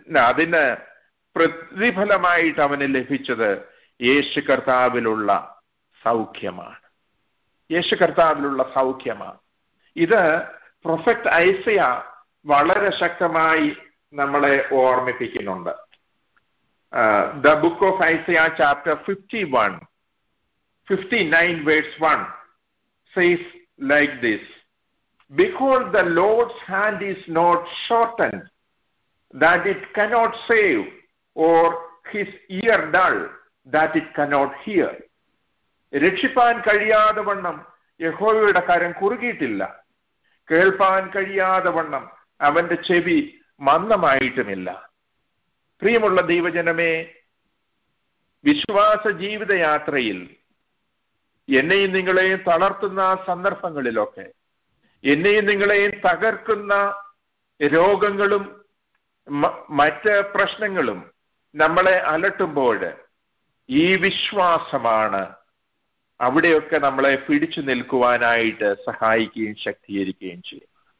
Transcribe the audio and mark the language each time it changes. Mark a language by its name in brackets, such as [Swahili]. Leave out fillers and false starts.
[Malayalam] അതിന് പ്രതിഫലമായിട്ട് അവന് ലഭിച്ചത് യേശു കർത്താവിലുള്ള സൗഖ്യമാണ്. യേശു കർത്താവിലുള്ള സൗഖ്യമാണ് ഇത്. പ്രൊഫറ്റ് ഐസയ വളരെ ശക്തമായി നമ്മളെ ഓർമ്മിപ്പിക്കുന്നുണ്ട്. [English] The book of Isaiah chapter 59 verse 1 says like this, Behold, the Lord's hand is not shortened that it cannot save, or his ear dull that it cannot hear. [Malayalam] രക്ഷിപ്പാൻ കഴിയാതെ വണ്ണം യഹോവയുടെ കരം കുറുകിയിട്ടില്ല, കേൾപ്പാൻ കഴിയാതെ വണ്ണം അവന്റെ ചെവി മന്ദമായിട്ടുമില്ല. പ്രിയമുള്ള ദൈവജനമേ, വിശ്വാസ ജീവിതയാത്രയിൽ എന്നെയും നിങ്ങളെയും തളർത്തുന്ന സന്ദർഭങ്ങളിലൊക്കെ, എന്നെയും നിങ്ങളെയും തകർക്കുന്ന രോഗങ്ങളും മറ്റ് പ്രശ്നങ്ങളും നമ്മളെ അലട്ടുമ്പോൾ ഈ വിശ്വാസമാണ് അവിടെയൊക്കെ നമ്മളെ പിടിച്ചു നിൽക്കുവാനായിട്ട് സഹായിക്കുകയും ശക്തീകരിക്കുകയും ചെയ്യും.